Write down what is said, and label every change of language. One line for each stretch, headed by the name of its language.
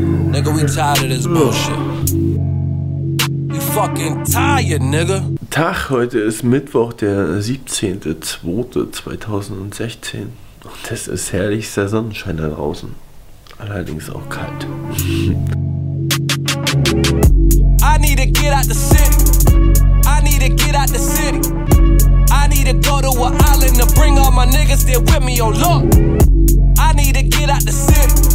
English: Nigga, we tired of this bullshit. We fucking tired, nigga.
German: Tag, heute ist Mittwoch, der 17.02.2016. Und es ist herrlichster Sonnenschein da draußen. Allerdings auch kalt.
English: I need to get out the city. I need to get out the city. I need to go to an island to bring all my niggas there with me. Oh, look. I need to get out the city.